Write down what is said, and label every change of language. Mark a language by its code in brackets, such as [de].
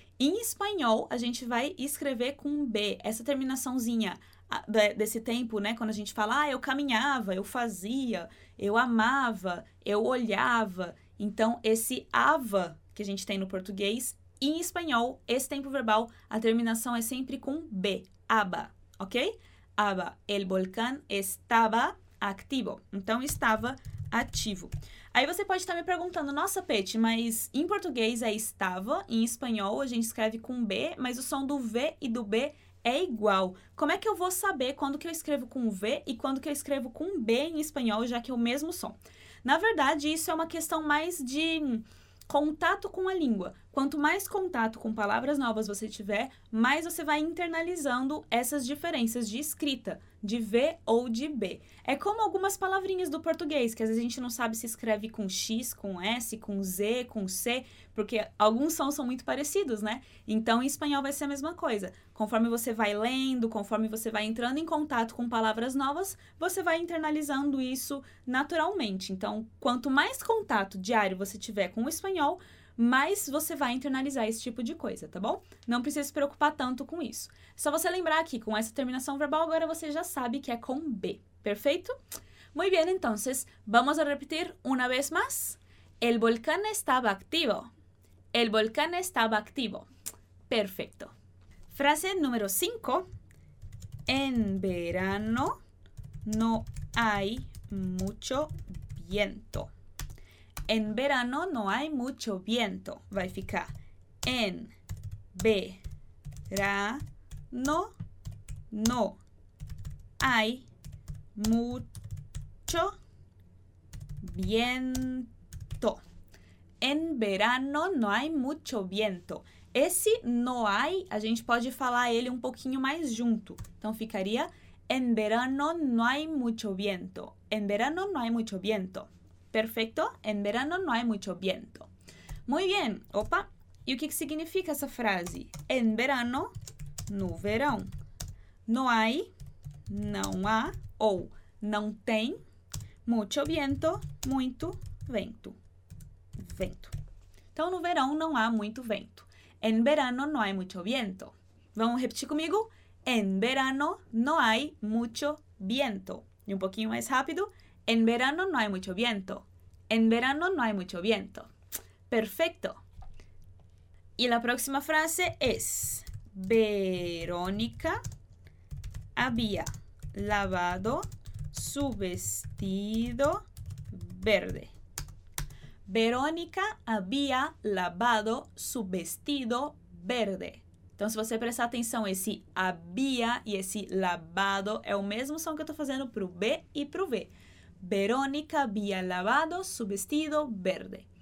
[pt] Em espanhol, a gente vai escrever com B, essa terminaçãozinha desse tempo, né? Quando a gente fala, ah, eu caminhava, eu fazia, eu amava, eu olhava. Então, esse ava que a gente tem no português, em espanhol, esse tempo verbal, a terminação é sempre com B, aba, ok? [es] Aba, el volcán estaba activo. [pt] Então, estava ativo. Aí você pode estar me perguntando, nossa, Pet, mas em português é estava, em espanhol a gente escreve com B, mas o som do V e do B é igual. Como é que eu vou saber quando que eu escrevo com V e quando que eu escrevo com B em espanhol, já que é o mesmo som? Na verdade, isso é uma questão mais de contato com a língua. Quanto mais contato com palavras novas você tiver, mais você vai internalizando essas diferenças de escrita, de V ou de B. É como algumas palavrinhas do português, que às vezes a gente não sabe se escreve com X, com S, com Z, com C, porque alguns sons são muito parecidos, né? Então, em espanhol vai ser a mesma coisa. Conforme você vai lendo, conforme você vai entrando em contato com palavras novas, você vai internalizando isso naturalmente. Então, quanto mais contato diário você tiver com o espanhol, mas você vai internalizar esse tipo de coisa, tá bom? Não precisa se preocupar tanto com isso. Só você lembrar aqui, com essa terminação verbal, agora você já sabe que é com B, perfeito? [es] Muy bien, entonces, vamos a repetir una vez más. El volcán estaba activo. El volcán estaba activo. Perfecto. Frase número 5. En verano no hay mucho viento. En verano no hay mucho viento. [pt] Vai ficar [es] en verano no hay mucho viento. En verano no hay mucho viento. [pt] Esse no hay, a gente pode falar ele um pouquinho mais junto. Então ficaria [es] en verano no hay mucho viento. En verano no hay mucho viento. Perfecto, en verano no hay mucho viento. Muy bien, [pt] opa, e o que significa essa frase? [es] En verano, [pt] no verão. [es] No hay, [pt] não há, ou não tem, [es] mucho viento, [pt] muito vento. Vento. Então, no verão não há muito vento. [es] En verano no hay mucho viento. [pt] Vamos repetir comigo? [es] En verano no hay mucho viento. [pt] E um pouquinho mais rápido. [es] En verano no hay mucho viento. En verano no hay mucho viento. Perfecto. Y la próxima frase es: Verónica había lavado su vestido verde. Verónica había lavado su vestido verde. [pt] Então, se você prestar atenção, esse había e esse lavado é o mesmo som que eu estou fazendo para o B e para o V. [es] Verónica había lavado su vestido verde.